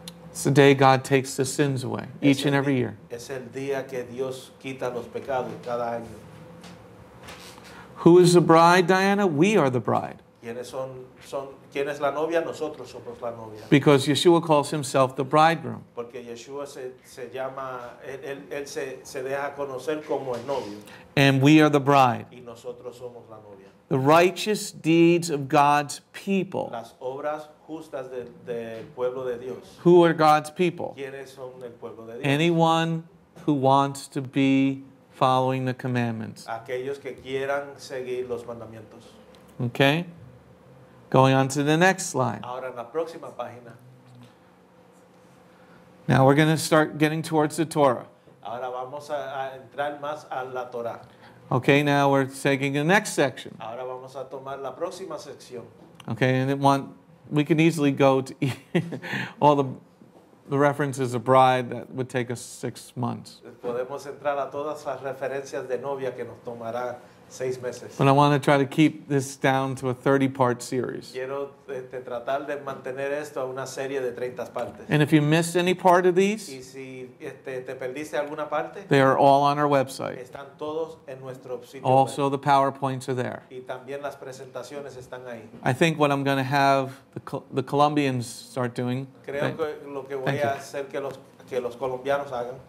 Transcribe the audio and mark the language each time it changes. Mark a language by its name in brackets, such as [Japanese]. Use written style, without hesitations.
[English] It's the day God takes the sins away, each and every year. [Spanish] Es el día que Dios quita los pecados cada año. [English] Who is the bride, Diana? We are the bride. [Spanish] ¿Quién es la novia? Nosotros somos la novia. [English] Because Yeshua calls himself the bridegroom. [Spanish] Porque Yeshua se llama, él se deja conocer como el novio. [English] And we are the bride. [Spanish] Y nosotros somos la novia. [English] The righteous deeds of God's people. [Spanish] Las obras justas de pueblo de Dios. [English] Who are God's people? [Spanish] ¿Quiénes son el pueblo de Dios? [English] Anyone who wants to be following the commandments. [Spanish] Aquellos que quieran seguir los mandamientos. [English] Okay. Going on to the next slide. [Spanish] Ahora en la próxima página. [English] Now we're going to start getting towards the Torah. [Spanish] Ahora vamos a entrar más a la Torah. [English] Okay, now we're taking the next section. [Spanish] Ahora vamos a tomar la próxima sección. [English] Okay, and we can easily go to all the references of bride that would take us 6 months. [Spanish] Podemos entrar a todas las referencias de novia que nos tomará 6 meses. [English] But I want to try to keep this down to a 30-part series. [Spanish] Quiero tratar de mantener esto a una serie de 30 partes. [English] And if you missed any part of these, [Spanish] y si te perdiste alguna parte, [English] they are all on our website. [Spanish] Están todos en nuestro sitio. [English] Also, the PowerPoints are there. [Spanish] Y también las presentaciones están ahí. [English] I think what I'm going to have the Colombians start doing. [Spanish] Creo que lo que voy a hacer que los colombianos hagan.